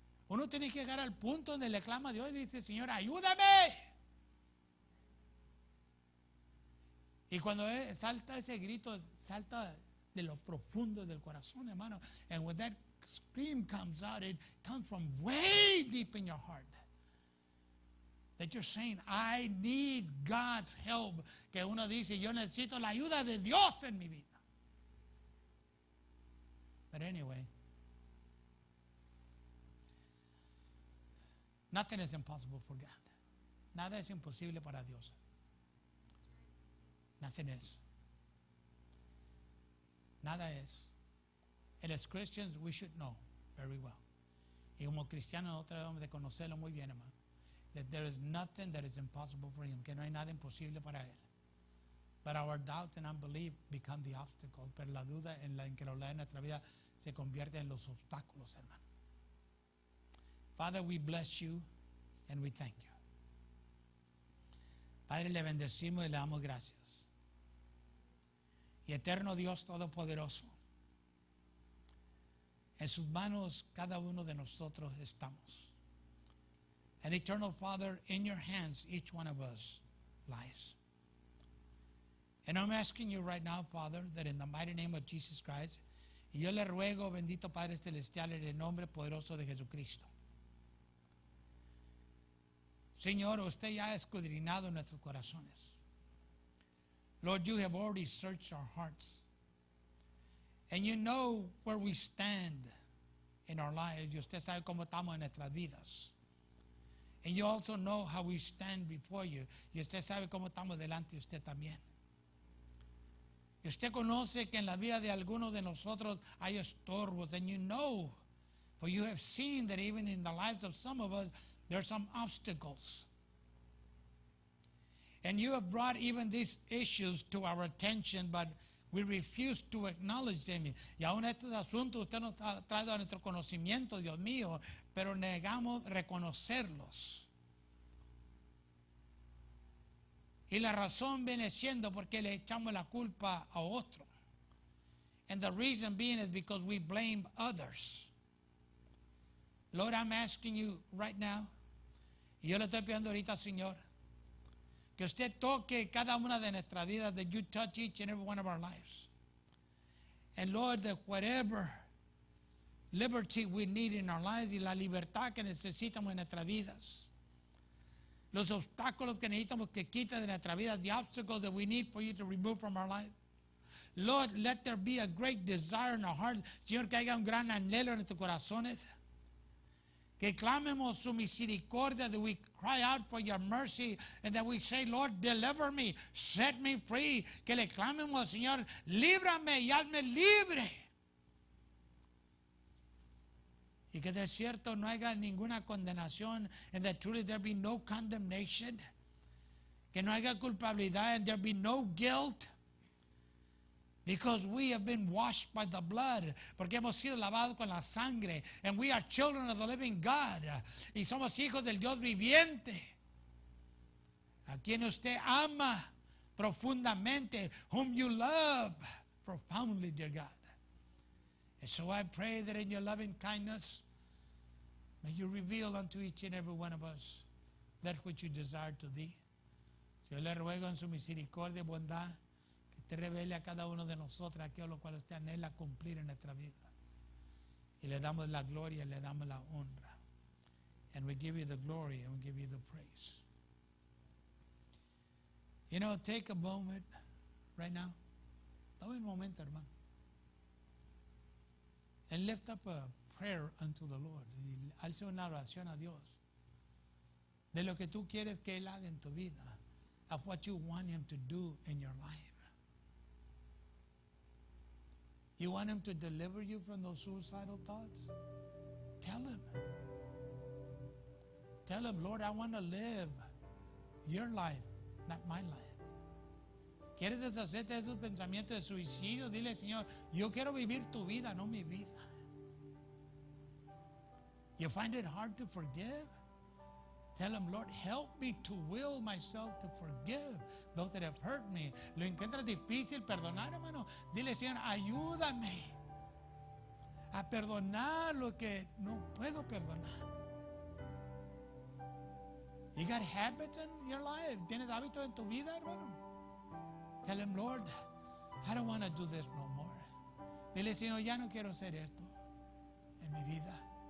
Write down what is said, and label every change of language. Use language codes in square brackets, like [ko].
[es] Uno tiene que llegar al punto donde le clama a Dios y dice, Señor, ayúdame. Y cuando salta ese grito, salta de lo profundo del corazón, hermano. [en] And with that scream comes out, it comes from way deep in your heart that you're saying, I need God's help. [es] Que uno dice, yo necesito la ayuda de Dios en mi vida. [en] But anyway, nothing is impossible for God. [es] Nada es imposible para Dios. [en] Nothing is. [es] Nada es. [en] And as Christians, we should know very well. [es] Y como cristianos, nosotros debemos de conocerlo muy bien, hermano. [en] That there is nothing that is impossible for him. [es] Que no hay nada imposible para él. [en] But our doubt and unbelief become the obstacle. [es] Pero la duda en la incredulidad en nuestra vida se convierte en los obstáculos, hermano. [en] Father, we bless you and we thank you. [es] Padre, le bendecimos y le damos gracias. Y eterno Dios todopoderoso, en sus manos cada uno de nosotros estamos. [en] An eternal Father, in your hands each one of us lies. And I'm asking you right now, Father, that in the mighty name of Jesus Christ, [es] y yo le ruego, bendito Padre Celestial, en el nombre poderoso de Jesucristo. Señor, usted ya ha escudriñado nuestros corazones. [en] Lord, you have already searched our hearts. And you know where we stand in our lives. [es] Y usted sabe cómo estamos en nuestras vidas. [en] And you also know how we stand before you. [es] Y usted sabe cómo estamos delante de usted también. Y usted conoce que en la vida de alguno de nosotros hay estorbos. [en] And you know, for you have seen that even in the lives of some of us, there are some obstacles. And you have brought even these issues to our attention, but we refuse to acknowledge them. [es] Y aún estos asuntos usted nos ha traído a nuestro conocimiento, Dios mío, pero negamos reconocerlos. Y la razón viene siendo porque le echamos la culpa a otro. [en] And the reason being is because we blame others. Lord, I'm asking you right now, [es] y yo le estoy pidiendo ahorita, Señor, que usted toque cada una de nuestras vidas, [en] that you touch each and every one of our lives. And Lord, that whatever liberty we need in our lives [es] y la libertad que necesitamos en nuestras vidas, los obstáculos que necesitamos que quites de nuestra vida, [en] the obstacles that we need for you to remove from our life. Lord, let there be a great desire in our hearts. [es] Señor, que haya un gran anhelo en nuestros corazones. Que clamemos su misericordia, [en] that we cry out for your mercy, and that we say, Lord, deliver me, set me free. [es] Que le clamemos, Señor, líbrame y hazme libre. Y que de cierto no haya ninguna condenación, [en] and that truly there be no condemnation. [es] Que no haya culpabilidad, [en] and there be no guilt. Because we have been washed by the blood. [es] Porque hemos sido lavados con la sangre. [en] And we are children of the living God. [es] Y somos hijos del Dios viviente. A quien usted ama profundamente. [en] Whom you love profoundly, dear God. And so I pray that in your loving kindness, may you reveal unto each and every one of us that which you desire to thee. [es] Si yo le ruego en su misericordia y bondad, te revele a cada uno de nosotros aquello lo cual usted anhela cumplir en nuestra vida. Y le damos la gloria, le damos la honra. [en] And we give you the glory and we give you the praise. You know, take a moment right now. [es] Tome un momento, hermano. [en] And lift up a prayer unto the Lord. [es] Y alce una oración a Dios. De lo que tú quieres que Él haga en tu vida. [en] Of what you want Him to do in your life. You want Him to deliver you from those suicidal thoughts? Tell Him. Tell Him, Lord, I want to live your life, not my life. [es] ¿Quieres deshacerte de esos pensamientos de suicidio? Dile, Señor, yo quiero vivir tu vida, no mi vida. [en] You find it hard to forgive? Tell Him, Lord, help me to will myself to forgive those that have hurt me. [es] ¿Lo encuentras difícil perdonar, hermano? Dile, Señor, ayúdame a perdonar lo que no puedo perdonar. [en] You got habits in your life? [es] ¿Tienes hábitos en tu vida, hermano? [en] Tell Him, Lord, I don't want to do this no more. [es] Dile, Señor, ya no quiero hacer esto en mi vida.